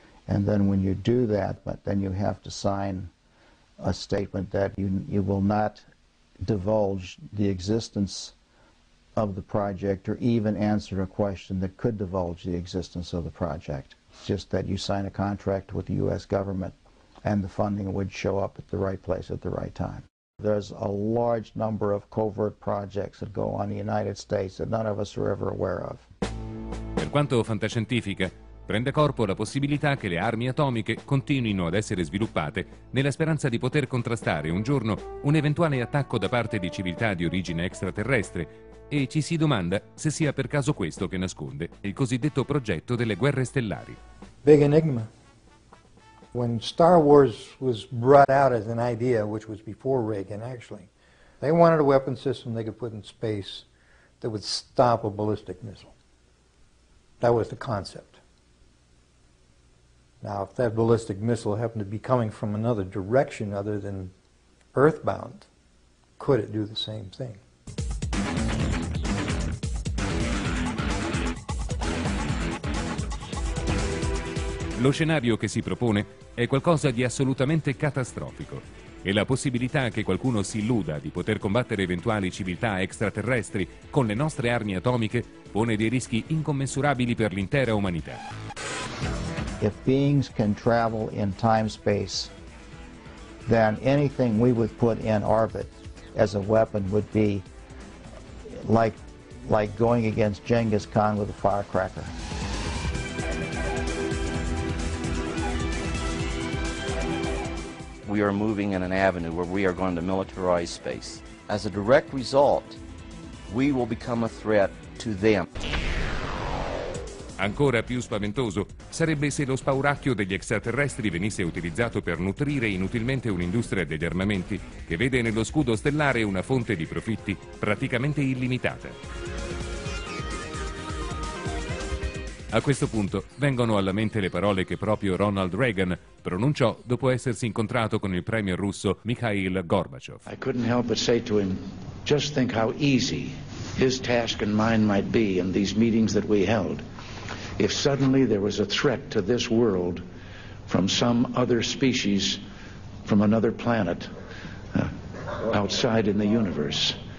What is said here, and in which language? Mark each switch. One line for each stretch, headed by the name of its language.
English: And then when you do that, but then you have to sign a statement that you will not divulge the existence of the project or even answer a question that could divulge the existence of the project. It's just that you sign a contract with the U.S. government and the funding would show up at the right place at the right time. There's a large number of covert projects that go on in the United States that none of us are ever aware of.
Italian: Per quanto fantascientifica, prende corpo la possibilità che le armi atomiche continuino ad essere sviluppate nella speranza di poter contrastare un giorno un eventuale attacco da parte di civiltà di origine extraterrestre. E ci si domanda se sia per caso questo che nasconde il cosiddetto progetto delle guerre stellari.
English: Big enigma. When Star Wars was brought out as an idea, which was before Reagan actually, they wanted a weapon system they could put in space that would stop a ballistic missile. That was the concept. Now, if that ballistic missile happened to be coming from another direction other than earthbound, could it do the same thing?
Italian: Lo scenario che si propone è qualcosa di assolutamente catastrofico. e la possibilità che qualcuno si illuda di poter combattere eventuali civiltà extraterrestri con le nostre armi atomiche pone dei rischi incommensurabili per l'intera umanità.
English: If beings can travel in time space, then anything we would put in orbit as a weapon would be like going against Genghis Khan with a firecracker. We are moving in an avenue where we are going to militarize space. As a direct result, we will become a threat to them.
Italian: Ancora più spaventoso sarebbe se lo spauracchio degli extraterrestri venisse utilizzato per nutrire inutilmente un'industria degli armamenti che vede nello scudo stellare una fonte di profitti praticamente illimitata. A questo punto vengono alla mente le parole che proprio Ronald Reagan pronunciò dopo essersi incontrato con il premier russo Mikhail Gorbachev.
English: I couldn't help but say to him, just think how easy his task and mine might be in these meetings that we held. If suddenly there was a threat to this world from some other species, from another planet, outside in the universe.